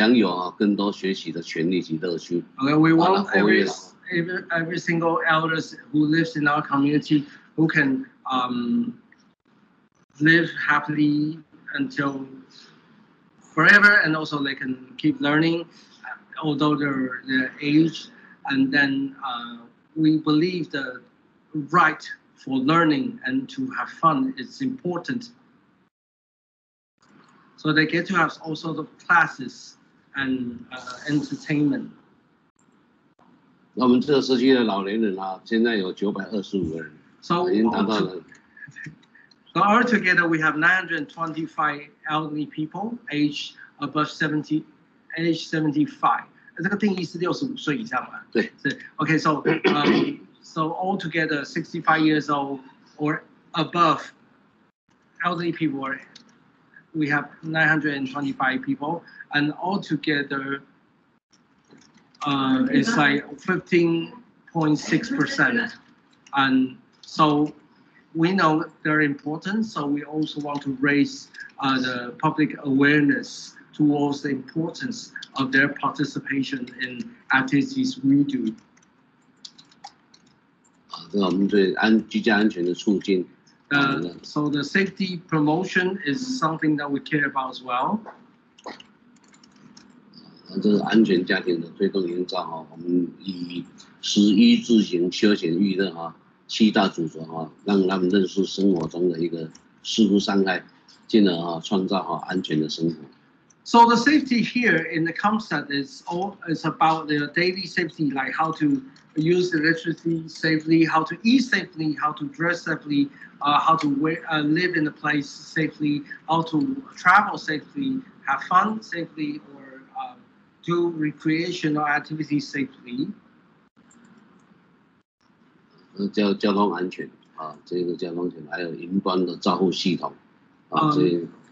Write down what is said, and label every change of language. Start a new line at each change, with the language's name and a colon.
Chinese: 我们老伴不能走，就是让这个我们的计划就是活到老学到老好的精神，让社区长者享有更多学习的权利及乐趣。
English: Okay, we want every single elders who lives in our community who can live happily until forever, and also they can keep learning, although they're aged. And then we believe the right for learning and to have fun is important. So they get to have also the classes and entertainment.
Chinese: 那我们这个社区的老年人啊，现在有925人，
English: so,
Chinese: 已经达到了。
English: So altogether, we have 925 elderly people age above 70, age 75.
Chinese: 这个定义是65岁以上嘛？对，是 OK.
English: So, so altogether, 65 years old or above elderly people, we have 925 people, and altogether, it's like 15.6%, and so. We know they're important, so we also want to raise the public awareness towards the importance of their participation in activities we do.
Chinese: 啊，这我们对安居家安全的促进。
English: So the safety promotion is something that we care about as well.
Chinese: 啊，这个安全家庭的推动营造啊，我们以食衣住行休闲娱乐啊。七大主轴哈，让他们认识生活中的一个事故伤害，进而哈创造哈安全的生活。
English: So the safety here in the concept is all is about the daily safety, like how to use electricity safely, how to eat safely, how to dress safely, how to wear, live in a place safely, how to travel safely, have fun safely, or do recreational activities safely.
Chinese: 交通安全啊，这个交通安全，还有云端的照护系统啊，这。